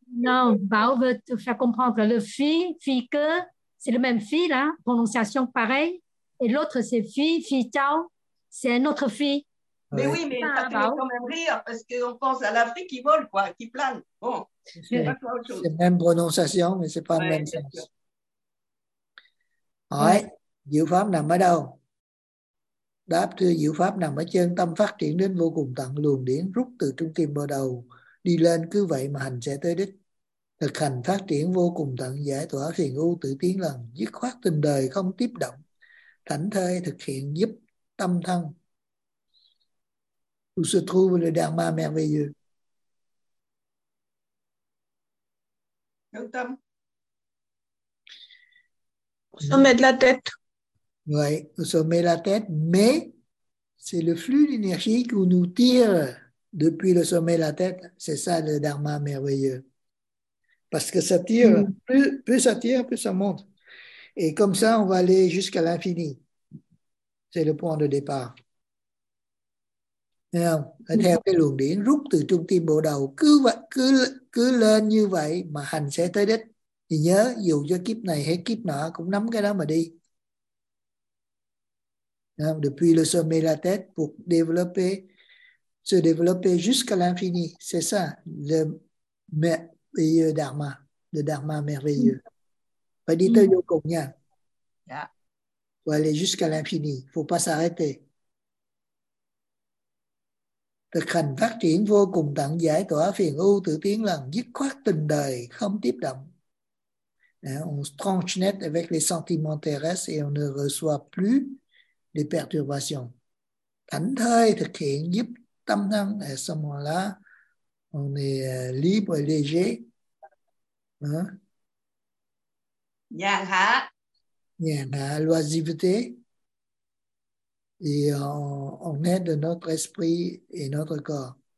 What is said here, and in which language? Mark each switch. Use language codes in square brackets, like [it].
[fr] Non, Bao veut te faire comprendre. Le fi, fi que, c'est le même fi, là, prononciation pareille. Et l'autre, c'est Fi Tao. C'est une autre fille. Mais oui, mais ça fait quand même rire parce qu'on pense à l'Afrique qui vole, quoi, qui plane. Bon, c'est la même prononciation, mais ce n'est pas le même sens. [vi] Hỏi, diệu pháp nằm ở đâu? Đáp, thưa, diệu pháp nằm ở chân tâm phát triển đến vô cùng tận luồng điển rút từ trung tâm bắt đầu đi lên, cứ vậy mà hành sẽ tới đích. Thực hành phát triển vô cùng tận, giải tỏa phiền ưu tự tiến lần, dứt khoát tình đời không tiếp động, thảnh thơi thực hiện giúp tâm thân. [fr] Où se trouve le dharma merveilleux? [vi] Trung tâm. [fr] Au sommet de la tête. Oui, au sommet de la tête, mais c'est le flux d'énergie qui nous tire depuis le sommet de la tête. C'est ça le dharma merveilleux. Parce que ça tire, plus ça tire, plus ça monte. Et comme ça, on va aller jusqu'à l'infini. C'est le point de départ. [vi] Theo cái luồng điển rút từ trung tâm bộ đầu, cứ lên như vậy mà hành sẽ tới đích. Thì nhớ, dù cho kiếp này hay kiếp nọ cũng nắm cái đó mà đi. [fr] Depuis le sommet de la tête pour développer, se développer jusqu'à l'infini. C'est ça, le merveilleux dharma. Le dharma merveilleux. [vi] Phải đi tới vô cùng nha. [fr] Faut aller jusqu'à l'infini. Faut pas s'arrêter. [vi] Thực hành phát triển vô cùng tận, giải tỏa phiền ưu tự tiến lần, dứt khoát tình đời, không tiếp động. [fr] On se tranche net avec les sentiments terrestres et on ne reçoit plus les perturbations. [vi] Thảnh thơi thực hiện giúp tâm thân. [fr] À ce moment-là, on est libre et léger. [vi] Nhàn hạ. Nhàn hạ, l'oisiveté. [fr] Et on est de notre esprit et notre corps.